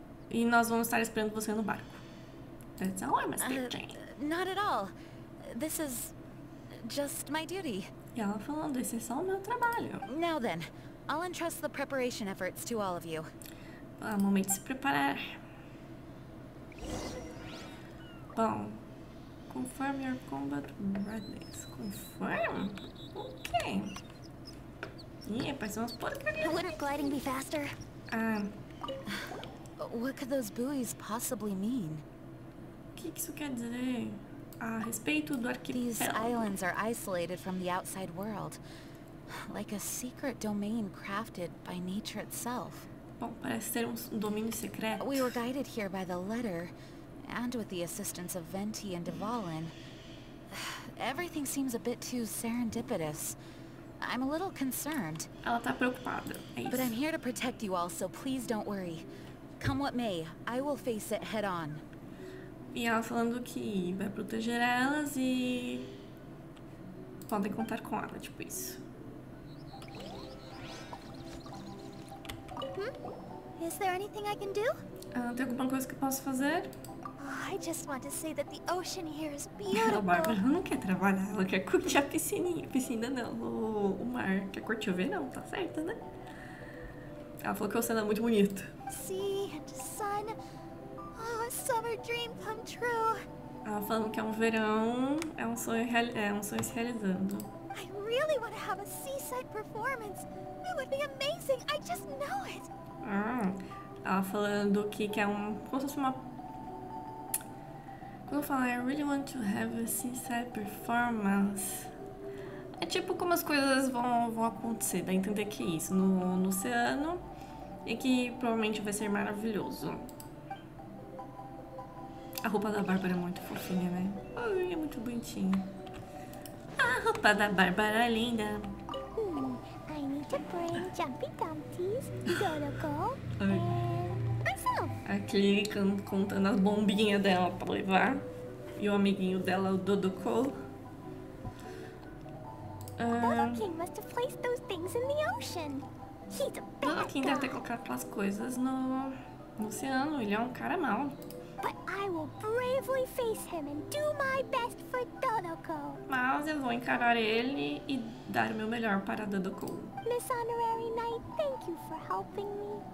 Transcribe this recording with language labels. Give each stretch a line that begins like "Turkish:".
Portuguese: E nós vamos estar esperando você no barco.
English: That's all, Mr. Jane. Not at all. This is just my duty.
Portuguese: E ela falando, esse é só o meu trabalho.
English: Now then, I'll entrust the preparation efforts to all of you.
Portuguese: É o momento de se preparar.
English: Bom, confirm your combat readiness.
Portuguese: Confirm? Ok. Ih, parece umas porcarias.
English: Wouldn't gliding be faster? What could those buoys possibly mean?
Portuguese: Que isso quer dizer? A respeito do arquipélago.
English: These islands are isolated from the outside world, like a secret domain crafted by nature itself.
Portuguese: Bom, parece ser domínio secreto.
English: We were guided here by the letter, and with the assistance of Venti and Dvalin. Everything seems a bit too serendipitous. I'm a little concerned.
Portuguese: Ela tá preocupada.
English: But I'm here to protect you all, so please don't worry. Come what may, I will face it head on.
Portuguese: E ela falando que vai proteger elas e podem contar com ela, tipo isso.
English: Is there anything I can do?
Portuguese: Tem alguma coisa que posso fazer?
English: I just want to say that the ocean here is beautiful.
Portuguese: A Bárbara não quer trabalhar, ela quer curtir a piscininha. Piscina não, o mar. Quer curtir o verão, tá certo, né? Ela falou que o oceano é muito bonito.
English: Sea and sun. Oh, a summer dream come true.
Portuguese: Ela falando que é um verão, é um sonho se realizando.
English: I really want to have a seaside performance. It would be amazing. I just know it.
Portuguese: Ela falando que quer um, como se fosse uma... Quando fala,
English: I really want to have a seaside performance.
Portuguese: É tipo como as coisas vão acontecer, dá a entender que é isso, no oceano. E que provavelmente vai ser maravilhoso. A roupa da Bárbara é muito fofinha, né? Ai, é muito bonitinha. A roupa da Bárbara é linda.
English: I need to bring Jumpy Dumpties, Dodoko, and myself.
Portuguese: Aqui contando as bombinhas dela pra levar. E o amiguinho dela, o Dodoko.
English: Dodokin must have placed those things in the ocean.
Portuguese: Dodokin deve ter colocado aquelas coisas no oceano. Ele é um cara mau.
English: But I will bravely face him and do my best for Dodoko.
Portuguese: Mas eu vou encarar ele e dar o meu melhor para Dodoko.
English: Miss Honorary Knight, thank you for helping me.